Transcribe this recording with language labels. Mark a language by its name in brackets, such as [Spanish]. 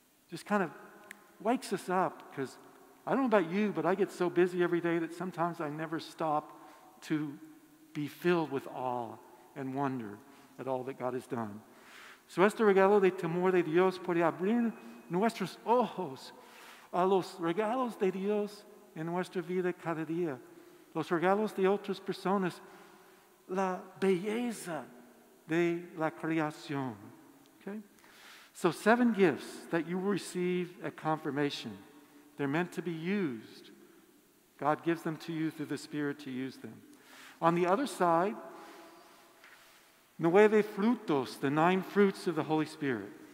[English] Just kind of wakes us up, because I don't know about you, but I get so busy every day that sometimes I never stop to be filled with awe and wonder at all that God has done. [Spanish] So este regalo de temor de Dios puede abrir nuestros ojos a los regalos de Dios en nuestra vida cada día. Los regalos de otras personas, la belleza de la creación. [English] Okay? So seven gifts that you will receive at confirmation. They're meant to be used. God gives them to you through the Spirit to use them. On the other side, [Spanish] nueve frutos, [English] the nine fruits of the Holy Spirit.